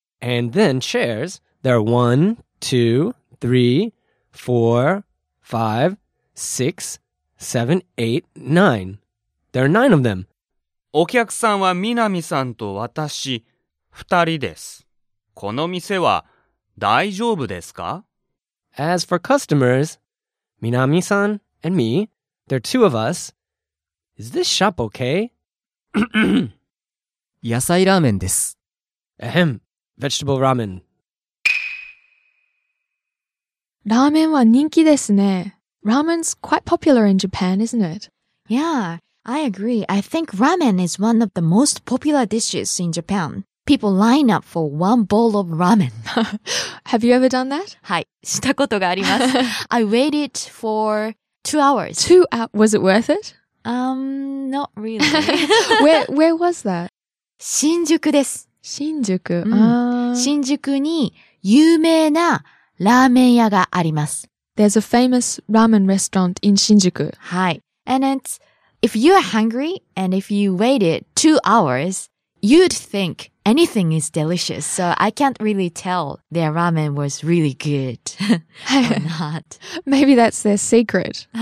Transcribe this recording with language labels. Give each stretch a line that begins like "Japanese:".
English: And then chairs. There are 1, 2, 3, 4, 5, 6, 7, 8, 9. There are 9 of them.
Japanese: お客さんは南さんと私、二人です。この店は大丈夫ですか?
English: As for customers, 南さん and me, there are 2 of us. Is this shop okay?
Japanese: 野菜ラーメンです。
English: Ahem, vegetable ramen.
Japanese: Ramen は人気ですね。
English: Ramen's quite popular in Japan, isn't it? Yeah, I agree. I think ramen is one of the most popular dishes in Japan. People line up for one bowl of ramen. Have you ever done that?
Japanese: はい、したことがあります。
English: I waited for 2 hours. Was it worth it? Not really. where was that?
Japanese: 新宿です。新宿、うん、新宿に有名なラーメン屋があります。
English: There's a famous ramen restaurant in 新宿。
Japanese: はい。
English: And it's, if you are hungry and if you waited 2 hours, you'd think anything is delicious. So I can't really tell their ramen was really good or not. Maybe that's their secret.